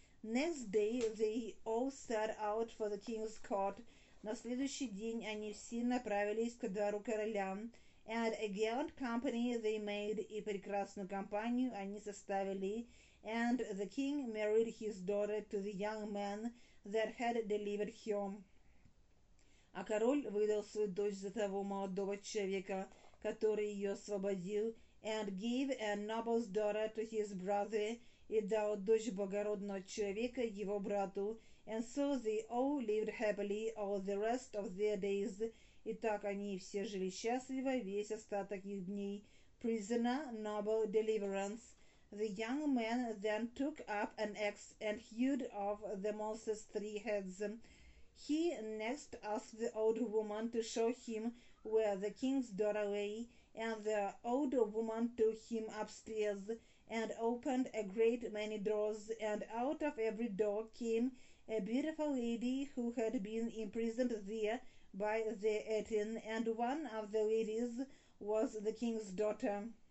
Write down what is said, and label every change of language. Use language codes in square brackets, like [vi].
[en] Next day they all set out for the king's court. [ru] На следующий день они все направились ко двору короля. [en] And a gallant company they made, [ru] и прекрасную компанию они составили. [en] And the king married his daughter to the young man that had delivered him. [ru] А король выдал свою дочь за того молодого человека, который ее освободил, [en] and gave a noble's daughter to his brother, [ru] и дал дочь благородного человека его брату. [en] And so they all lived happily all the rest of their days. [ru] И так они все жили счастливо весь остаток их дней. [en] Prisoner, noble, deliverance. The young man then took up an axe and hewed off the monster's three heads. He next asked the old woman to show him where the king's daughter lay, and the old woman took him upstairs and opened a great many doors, and out of every door came a beautiful lady who had been imprisoned there by the Etin, and one of the ladies was the king's daughter.